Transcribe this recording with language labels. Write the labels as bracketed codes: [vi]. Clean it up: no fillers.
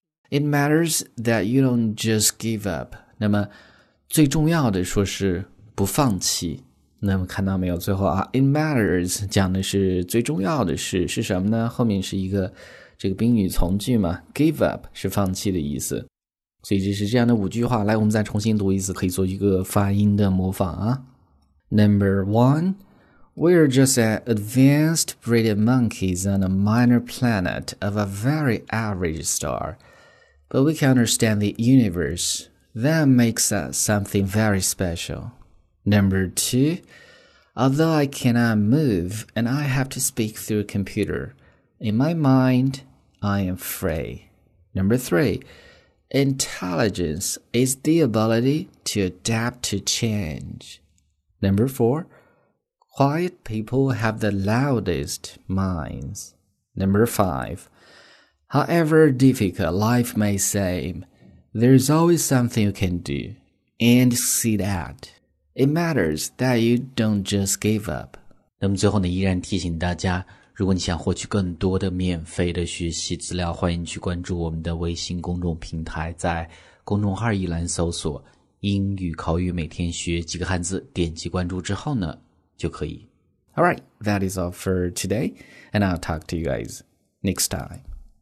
[en] It matters that you don't just give up. [zh] 那么最重要的说是不放弃。那么看到没有，最后啊 , [en] it matters, [zh] 讲的是最重要的是什么呢？后面是一个这个宾语从句嘛 , [en] give up [zh] 是放弃的意思。所以这是这样的五句话，来我们再重新读一次，可以做一个发音的模仿啊。 [en] Number one, we are just an advanced breeding monkeys on a minor planet of a very average star, but we can understand the universe that makes us something very special. Number two, although I cannot move and I have to speak through a computer,In my mind, I am free. Number three, intelligence is the ability to adapt to change. Number four, quiet people have the loudest minds. Number five, however difficult life may seem, there is always something you can do and succeed at. It matters that you don't just give up. [zh] 那么最后呢，依然提醒大家如果你想获取更多的免费的学习资料，欢迎去关注我们的微信公众平台，在公众号一栏搜索英语口语每天学几个汉字，点击关注之后呢，就可以。 [en] All right, that is all for today, and I'll talk to you guys next time.